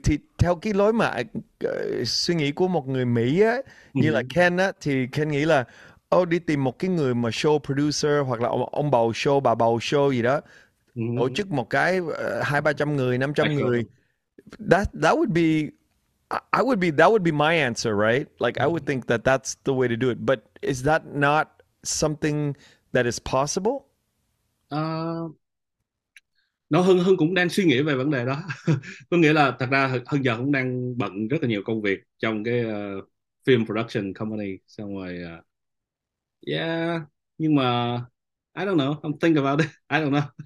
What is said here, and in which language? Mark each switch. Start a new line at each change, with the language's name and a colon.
Vietnamese: Thì theo cái lối mà suy nghĩ của một người Mỹ á, như là Ken á, thì Ken nghĩ là đi tìm một cái người mà show producer hoặc là ông bầu show, bà bầu show gì đó, tổ chức một cái 200-300 người, 500 người,
English: that would be my answer, right? Like I would think that that's the way to do it. But is that not something that is possible?
Vietnamese: Nó Hưng Hưng cũng đang suy nghĩ về vấn đề đó. Có nghĩa là thật ra Hưng giờ cũng đang bận rất là nhiều công việc trong cái film production company, xong rồi nhưng mà
English: I don't know, I'm thinking about it, I don't know.